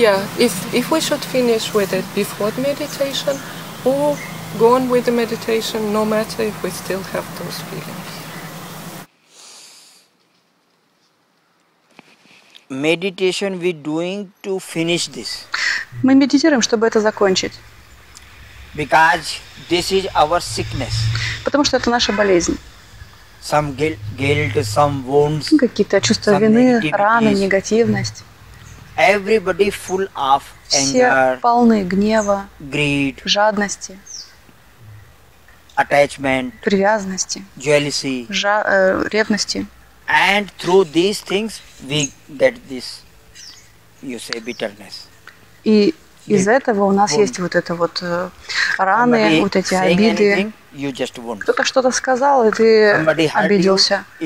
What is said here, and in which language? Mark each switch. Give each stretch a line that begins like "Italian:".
English: Yeah, if we should finish with it before the meditation or go on with the meditation, no matter if we still have those feelings. Meditation we doing to finish this.
Russian: Мы медитируем, чтобы это закончить.
English: Because this is our sickness.
Russian: Потому что это наша болезнь.
English: Some guilt, some wounds.
Russian: Какие-то чувства вины, раны, негативность.
English: Everybody full of anger.
Russian: Все полны гнева,
English: greed,
Russian: жадности,
English: attachment,
Russian: привязанности,
English: jealousy,
Russian: ревности.
English: And through these things we get this, you say, bitterness.
Russian: И из этого у нас есть вот это вот раны, вот эти обиды. Кто-то что-то сказал, и ты обиделся.